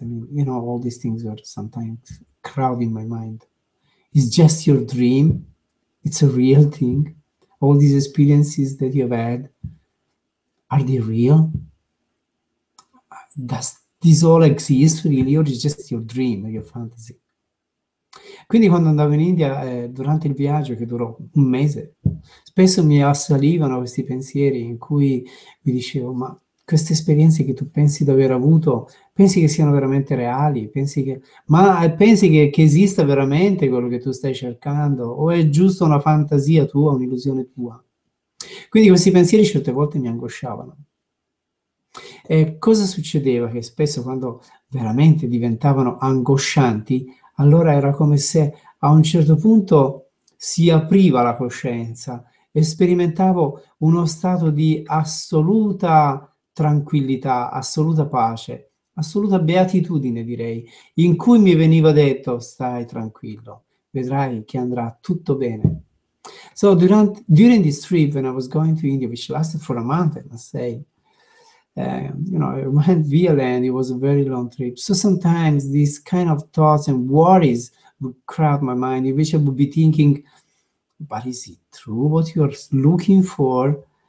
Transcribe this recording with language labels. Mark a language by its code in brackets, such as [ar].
[en] I mean, you know, all these things are sometimes crowding my mind. It's just your dream. It's a real thing. All these experiences that you have had, are they real? Does this all exist really, or is it just your dream, your fantasy? [it] Quindi quando andavo in India, durante il viaggio che durò un mese, spesso mi assalivano questi pensieri in cui mi dicevo, ma queste esperienze che tu pensi di aver avuto, pensi che siano veramente reali? Pensi che esista veramente quello che tu stai cercando? O è giusto una fantasia tua, un'illusione tua? Quindi questi pensieri certe volte mi angosciavano. E cosa succedeva? Che spesso quando veramente diventavano angoscianti, allora era come se a un certo punto si apriva la coscienza e sperimentavo uno stato di assoluta tranquillità, assoluta pace, assoluta beatitudine, direi, in cui mi veniva detto: stai tranquillo, vedrai che andrà tutto bene. [en] So during this trip when I was going to India, which lasted for a month, I must say, you know, it went via land, it was a very long trip. So sometimes these kind of thoughts and worries would crowd my mind, in which I would be thinking, but is it true what you are looking for?